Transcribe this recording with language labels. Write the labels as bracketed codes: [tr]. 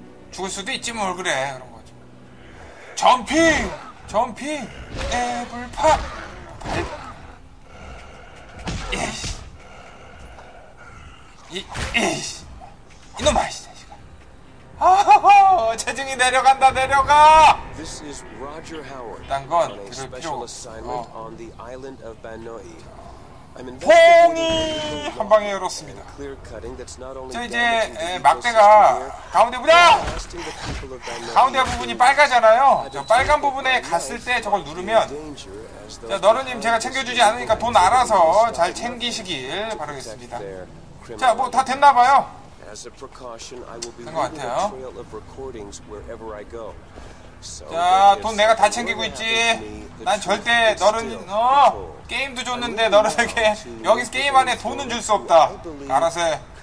[ko] 죽을 수도 있지 뭘 그래. 그런 거죠. 점핑! 점핑! 애불파! 예이씨. 이씨. 이놈아, 이씨. 아하하, 체증이 내려간다, 내려가! 딴 건 들을 필요 없어. [en] This is Roger Howard, on a special assignment on the island of Banoi. I'm investigating the problem of clear cutting that's not only damaging the ecosystem here, but blasting the people of Banoi. [ko] 가운데 부분이 빨가잖아요. 저 빨간 부분에 갔을 때 저걸 누르면, 자, 너른님 제가 챙겨주지 않으니까 돈 알아서 잘 챙기시길 바라겠습니다. 자, 뭐 다 됐나봐요. [en] As a precaution, I will be leaving a trail of recordings wherever I go. [ko] So, 자, 돈 내가 다 챙기고 있지. 난 절대 너른, 게임도 줬는데 너른에게 여기서 게임 안에 돈은 줄 수 없다. 알아서 해.